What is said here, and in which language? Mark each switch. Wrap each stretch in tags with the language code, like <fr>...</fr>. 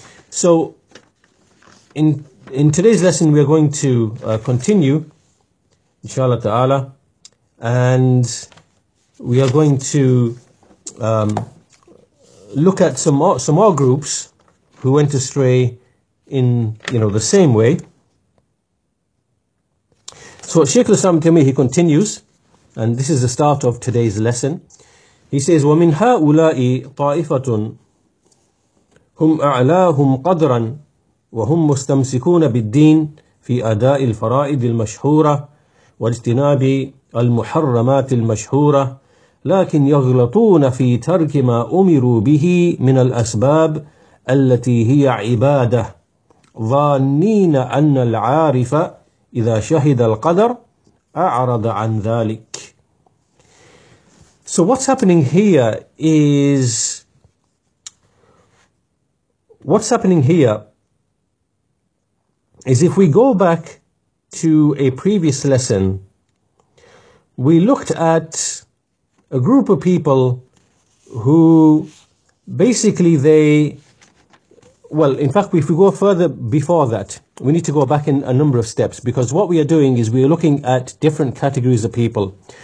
<en>So in today's lesson, we are going to continue, inshallah ta'ala, and we are going to look at some more groups who went astray in, you know, the same way. So Shaykh al-Islam Taymiyyah, he continues, and this is the start of today's lesson. He says,</en> <ar>وَمِنْ هَؤُلَاءِ طَائِفَةٌ هُمْ أَعْلَاهُمْ قَدْرًا وَهُمْ مُسْتَمْسِكُونَ بِالدِّينِ فِي أَدَاءِ الْفَرَائِدِ الْمَشْهُورَةِ وَاجْتِنَابِ الْمُحَرَّمَاتِ الْمَشْهُورَةِ لكن يغلطون في ترك ما أمروا به من الأسباب التي هي عبادة ظانين أن العارف إذا شهد القدر أعرض عن ذلك.</ar> <en>So what's happening here is, what's happening here is, if we go back to a previous lesson, we looked at a group of people who basically they, well, in fact, if we go further before that, we need to go back in a number of steps, because what we are doing is we are looking at different categories of people.</en>